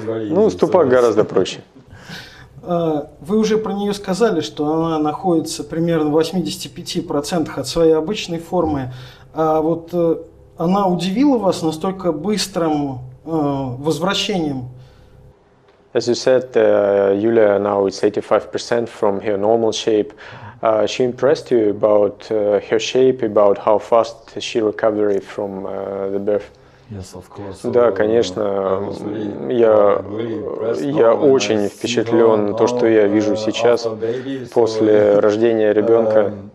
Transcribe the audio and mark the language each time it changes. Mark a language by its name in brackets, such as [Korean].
[Russian] Ну, Ступак гораздо проще. Вы уже про нее сказали, что она находится примерно в 85% от своей обычной формы. А вот она удивила вас настолько быстрым возвращением? [English] As you said, Yulia now is 85% from her normal shape. She impressed you about her shape, about how fast she recovered from the birth. [Russian] Да, конечно, я очень впечатлен то, что я вижу сейчас после рождения ребенка.